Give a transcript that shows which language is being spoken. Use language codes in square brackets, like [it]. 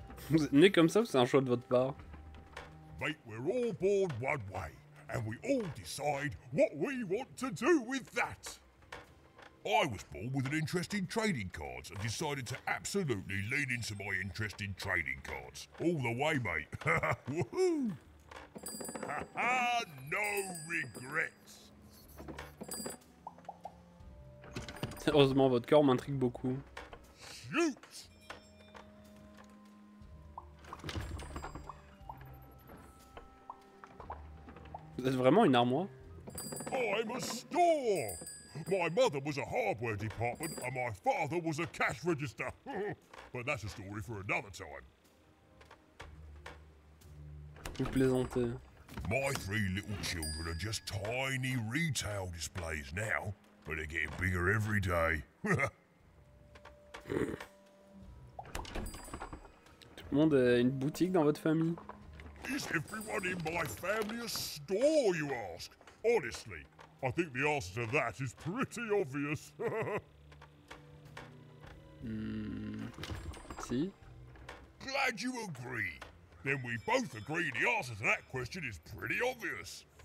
[fr] Vous êtes né comme ça ou c'est un choix de votre part? [en] Mate, we're all born one way. And we all decide what we want to do with that. I was born with an interest in trading cards and decided to absolutely lean into my interest in trading cards. All the way, mate. Woohoo! Ha ha, no regrets. [fr] Heureusement, votre corps m'intrigue beaucoup. [en] Shoot! [fr] Vous êtes vraiment une armoire? [en] I'm a store! My mother was a hardware department and my father was a cash register. But that's a story for another time. [fr] Vous plaisantez. [en] My three little children are just tiny retail displays now, but they're getting bigger every day. [fr] Tout le monde a une boutique dans votre famille? [en] Is everyone in my family a store, you ask? Honestly, I think the answer to that is pretty obvious. See? Glad you agree. Then we both agree the answer to that question is pretty obvious.